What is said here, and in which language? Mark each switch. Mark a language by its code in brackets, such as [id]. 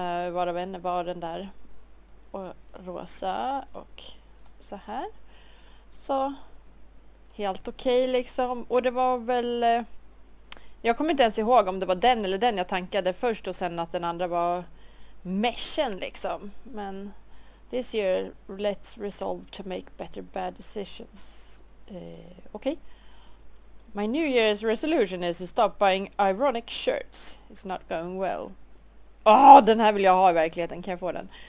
[sv] Varav en var den där och rosa och så här. Så helt okej liksom. Och det var väl... jag kommer inte ens ihåg om det var den eller den jag tankade först och sen att den andra var meshen liksom. [en] Men this year let's resolve to make better bad decisions. Okej. My New Year's resolution is to stop buying ironic shirts. It's not going well. [sv] Åh, den här vill jag ha i verkligheten. Kan jag få den?